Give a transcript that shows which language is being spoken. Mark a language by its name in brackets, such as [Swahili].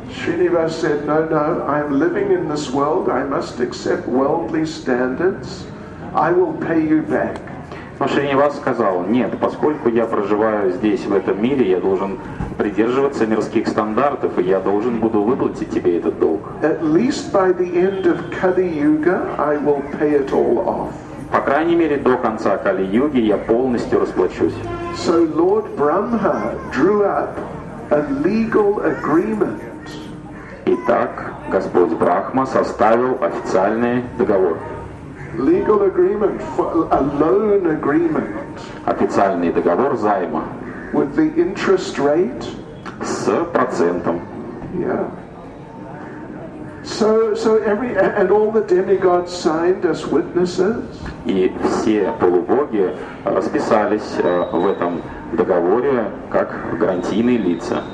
[English] Srinivas said, no, no, I'm living in this world, I must accept worldly standards, I will pay you back. [Russian] Но Шринивас сказал, нет, поскольку я проживаю здесь, в этом мире, я должен придерживаться мирских стандартов, и я должен буду выплатить тебе этот долг. [English] At least by the end of Kali Yuga, I will pay it all off. [Russian] По крайней мере, до конца Кали-юги я полностью расплачусь. [English] So Lord Brahma drew up a legal agreement. [Russian] Итак, Господь Брахма составил официальный договор. [English] Legal agreement for a loan agreement. [Russian] Официальный договор займа. [English] With the interest rate. [Russian] С процентом. [English] Yeah. So every and all the demigods signed as witnesses. [Russian] И все полубоги расписались в этом договоре как гарантийные лица.